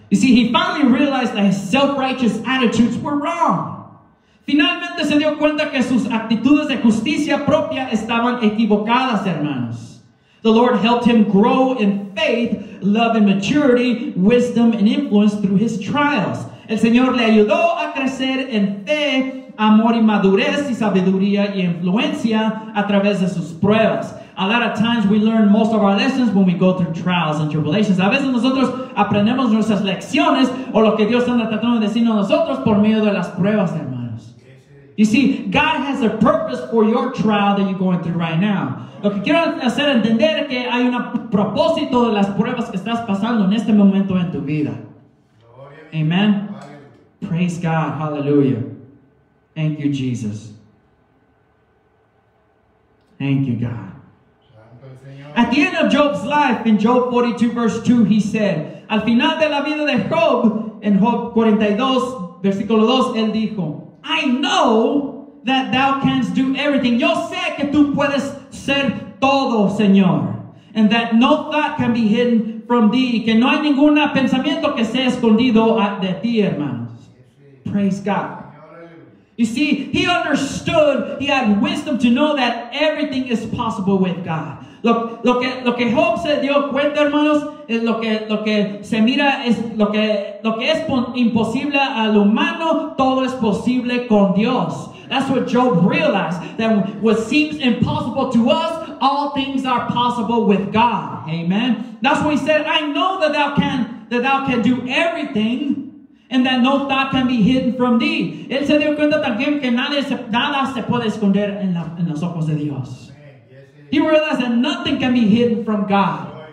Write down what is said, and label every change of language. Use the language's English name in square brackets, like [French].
[English] You see, he finally realized that his self-righteous attitudes were wrong. [Spanish] Finalmente se dio cuenta que sus actitudes de justicia propia estaban equivocadas, hermanos. [English] The Lord helped him grow in faith, love and maturity, wisdom and influence through his trials. [Spanish] El Señor le ayudó a crecer en fe, amor y madurez y sabiduría y influencia a través de sus pruebas. [English] A lot of times we learn most of our lessons when we go through trials and tribulations. [Spanish] A veces nosotros aprendemos nuestras lecciones o lo que Dios anda tratando de decirnos a nosotros por medio de las pruebas, hermanos. [English] You see, God has a purpose for your trial that you're going through right now. [Spanish] Lo que quiero hacer entender es que hay un propósito de las pruebas que estás pasando en este momento en tu vida. [English] Amen. Praise God. Hallelujah. Thank you, Jesus. Thank you, God. At the end of Job's life, in Job 42, verse 2, he said, [Spanish] al final de la vida de Job, en Job 42, versículo 2, él dijo, [English] I know that thou canst do everything. [Spanish] Yo sé que tú puedes ser todo, Señor. [English] And that no thought can be hidden from thee. [Spanish] Que no hay ningún pensamiento que sea escondido de ti, hermanos. [English] Praise God. You see, he understood, he had wisdom to know that everything is possible with God. [Spanish] Lo que Job se dio cuenta, hermanos, es lo que se mira es lo que es imposible al humano, todo es posible con Dios. [English] That's what Job realized, that what seems impossible to us, all things are possible with God. Amen. That's what he said, I know that thou can do everything. And that no thought can be hidden from thee. [Spanish] Él se dio cuenta también que nada se puede esconder en los ojos de Dios. [English] He realized that nothing can be hidden from God.